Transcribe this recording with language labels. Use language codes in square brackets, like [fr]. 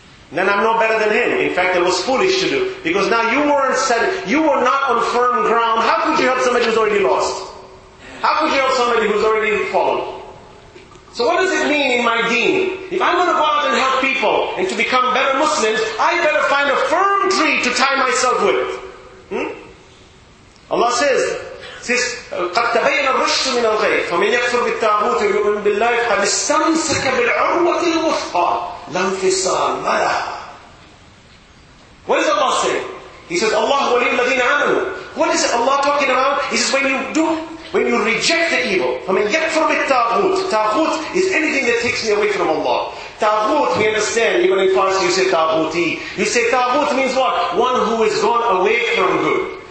[en] And then I'm no better than him. In fact, it was foolish to do. Because now you weren't set, you were not on firm ground. How could you help somebody who's already lost? How could you help somebody who's already fallen? So what does it mean in my deen? If I'm going to go out and help people and to become better Muslims, I better find a firm tree to tie myself with. Allah says, [ar] قَدْ تَبَيَّنَ الرُّشْدُ مِنَ الْغَيِّ فَمَنْ يَكْفُرْ بِالطَّاغُوتِ وَيُؤْمِنْ بِاللَّهِ فَقَدِ اسْتَمْسَكَ بِالْعُرْوَةِ الْوُثْقَى لَا انْفِصَامَ لَهَا. [en] What does Allah say? He says, Allah [ar] وَلِيُّ الَّذِينَ آمَنُوا. [en] What is Allah talking about? He says, when you reject the evil, I mean, [ar] يَكْفُرْ بِالطَّاغُوتِ. [en] Taghut is anything that takes me away from Allah. Taghut, we understand, even in Farsi you say taghuti. You say taghut means what? One who has gone away from good.